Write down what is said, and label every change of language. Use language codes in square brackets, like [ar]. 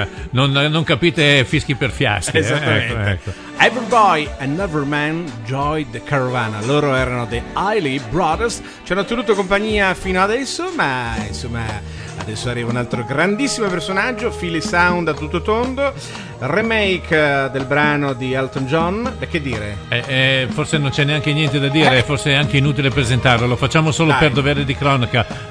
[it] Non capite fischi per fiaschi. Esattamente. [en] Every boy and every man joined the caravana. [it] Loro erano The Isley Brothers. Ci hanno tenuto compagnia fino adesso, ma insomma, adesso arriva un altro grandissimo personaggio, Philly Sound a tutto tondo, remake del brano di Elton John. E che dire? Forse non c'è neanche niente da dire, forse è anche inutile presentarlo. Lo facciamo solo per dovere di cronaca.